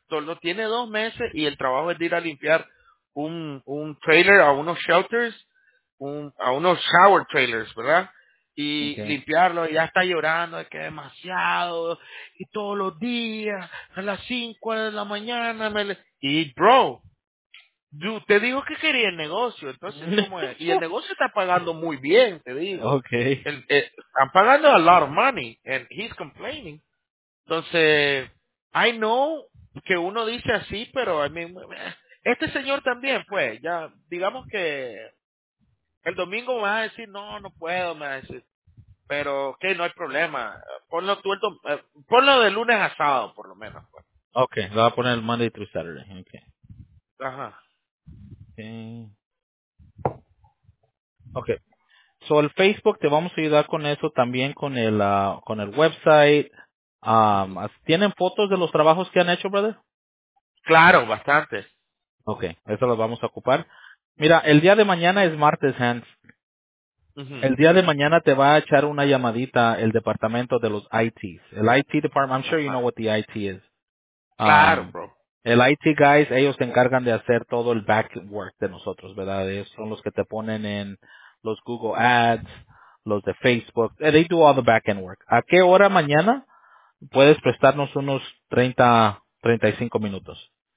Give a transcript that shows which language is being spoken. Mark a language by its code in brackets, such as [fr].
[es] Solo tiene 2 meses y el trabajo es de ir a limpiar un trailer a unos shelters, a unos shower trailers, ¿verdad? Limpiarlo. Y ya está llorando de que demasiado. Y todos los días, a las 5 de la mañana. Y bro, te digo que quería el negocio, entonces, ¿cómo es? Y el negocio está pagando muy bien, te digo. [en] Okay. [es] Están pagando [en] a lot of money, and he's complaining. [es] Entonces, [en] I know [es] que uno dice así, pero, I mean, este señor también, pues, ya, digamos que el domingo me va a decir, no puedo, me va a decir, pero, okay, no hay problema. Ponlo tú ponlo de lunes a sábado, por lo menos, pues. Okay, lo voy a poner [en] Monday through Saturday, [es] okay. Ajá. [en] Okay. [es] So el Facebook te vamos a ayudar con eso también con el website. ¿Tienen fotos de los trabajos que han hecho, brother? Claro, bastantes. Okay, eso lo vamos a ocupar. Mira, el día de mañana es martes, Hans. Uh-huh. El día de mañana te va a echar una llamadita el departamento de los ITs. [en] El IT department, I'm sure you know what the IT is. [es] Claro, bro. El IT guys, ellos se encargan de hacer todo el back work de nosotros, ¿verdad? Ellos son los que te ponen en los Google Ads, los de Facebook. [en] They do all the back end work. [es] ¿A qué hora mañana puedes prestarnos unos 30, 35 minutos?